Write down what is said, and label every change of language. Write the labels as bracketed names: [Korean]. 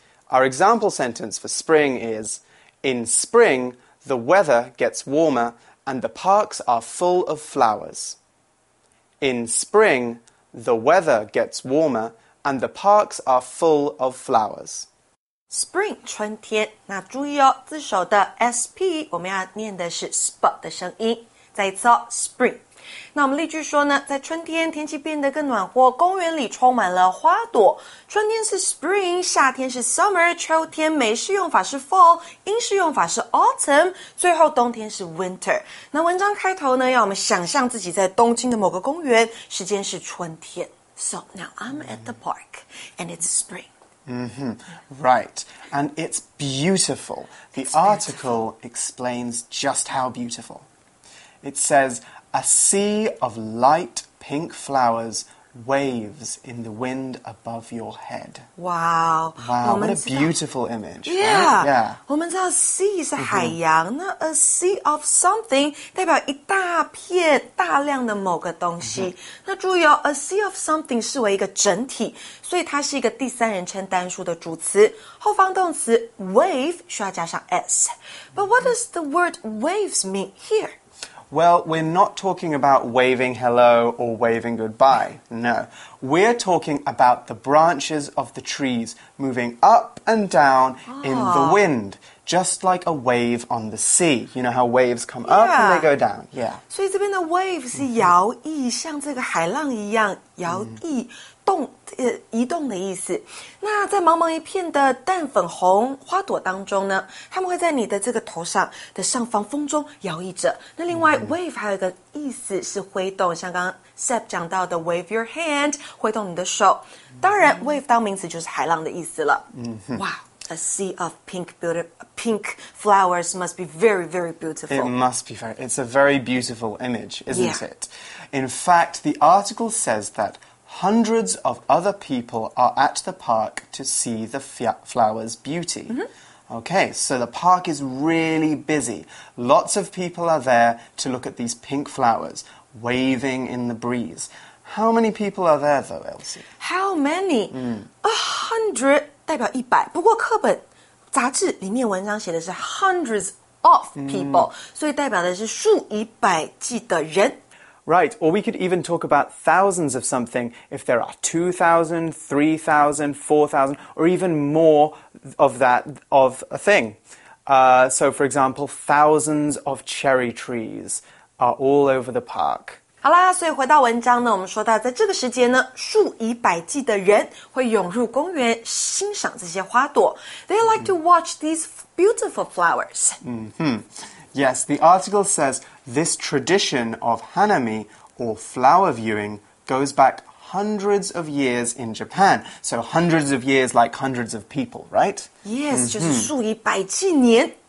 [English] Our example sentence for spring is, in spring, the weather gets warmer and the parks are full of flowers. In spring, the weather gets warmer and the parks are full of flowers. [Chinese] Spring, 春天。那注意哦，字首的 SP 我们要念的是 SP 的声音。再一次哦， Spring。那我们例句说呢，在春天天气变得更暖和，公园里充满了花朵。春天是 Spring， 夏天是 Summer， 秋天美式用法是 Fall， 英式用法是 Autumn， 最后冬天是 Winter。那文章开头呢，要我们想象自己在东京的某个公园，时间是春天。 [English] So now I'm at the park and it's spring. Mm-hmm. Right. And it's beautiful. The article explains just how beautiful. It says, a sea of light pink flowers waves in the wind above your head. Wow. Wow, what a beautiful image. Yeah. Right? Yeah. [Chinese] 我们知道 sea 是海洋、mm-hmm. 那 a sea of something 代表一大片大量的某个东西、mm-hmm. 那注意哦 a sea of something 视为一个整体所以它是一个第三人称单数的主词后方动词 wave 需要加上 s [English] But what does the word waves mean here? Well, we're not talking about waving hello or waving goodbye, no. We're talking about the branches of the trees moving up and down、oh. in the wind, just like a wave on the sea. You know how waves come、yeah. up and they go down, yeah. [Chinese] 所以这边的 wave 是摇曳、mm-hmm. 像这个海浪一样摇曳、动移动的意思那在茫茫一片的淡粉红花朵当中呢它们会在你的这个头上的上方风中摇曳着那另外、mm-hmm. wave 还有一个意思是挥动像刚刚 Seb 讲到的 [English] wave your hand [Chinese] 挥动你的手当然、mm-hmm. [English] wave [Chinese] 当名词就是海浪的意思了哇、 [English] mm-hmm. wow, a sea of pink flowers must be very very beautiful it must be very it's a very beautiful image isn't、yeah. it in fact the article says thathundreds of other people are at the park to see the flowers' beauty.、Mm-hmm. Okay, so the park is really busy. Lots of people are there to look at these pink flowers, waving in the breeze. How many people are there, though, Elsie? How many?、 [Chinese] Mm. 100代表一百。不过课本杂志里面文章写的是 [English] hundreds of people,、 [Chinese] mm. 所以代表的是数以百计的人。 [English] Right, or we could even talk about thousands of something if there are 2,000, 3,000, 4,000, or even more of that, of a thing. So, for example, thousands of cherry trees are all over the park. [Chinese] 好啦，所以回到文章呢，我们说到在这个时间呢，数以百计的人会涌入公园欣赏这些花朵。 [English] They like to watch these beautiful flowers. Mm-hmm. Yes, the article says this tradition of hanami, or flower viewing, goes back hundreds of years in Japan. So hundreds of years like hundreds of people, right? [Chinese] Yes,、mm-hmm. 就是数以百计年。